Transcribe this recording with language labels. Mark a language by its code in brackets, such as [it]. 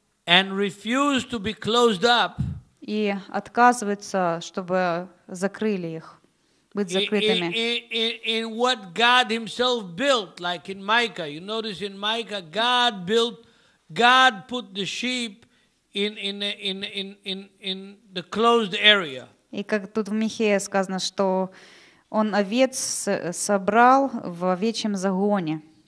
[en] and refuse to be closed up, [ru] и отказываются, чтобы закрыли их, быть закрытыми. [en] In what God Himself built, like in Micah, you notice in Micah, God put the sheep in the closed area. [ru] И как тут в Михее сказано, что Он овец собрал в овечьем загоне.